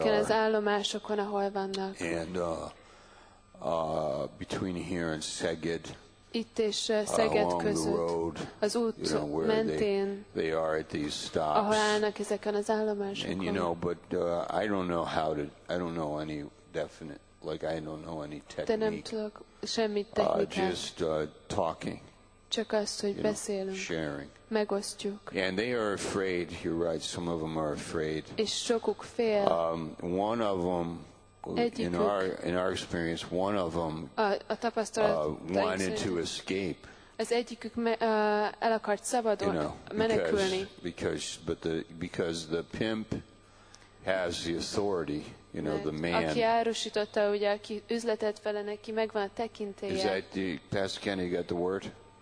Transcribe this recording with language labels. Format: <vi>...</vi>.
<hu>Ezeken az állomásokon, ahol vannak.</hu> <en>And between here and Szeged.</en> <hu>Itt és Szeged között. Az út</hu> <en>you know,</en> <hu>mentén.</hu> <en>They are at these stops.</en> <hu>Ahol állnak ezeken az állomásokon.</hu> <en>And you know, but I don't know how to. I don't know any definite. Like I don't know any technique.</en> <hu>De nem tudok semmi technikát.</hu> <en>Just talking.</en> <hu>Csak azt, hogy</hu> <en>you</en> <hu>beszélünk,</hu> <en>sharing.</en> <hu>Megosztjuk.</hu> <en>Yeah, and they are afraid, you're right, some of them are afraid.</en> <hu>És sokuk fél.</hu> <en>One of them, in our experience, one of them wanted to escape.</en> <hu>Az egyikük el akart szabadon</hu> <en>you know,</en> <hu>menekülni.</hu> <en>Because the pimp has the authority. You know, the man.</en> <hu>Aki árusította, ugye, aki üzletet vele neki, megvan a tekintélye.</hu> <en>Is that the, Pastor Kenny got the word?</en>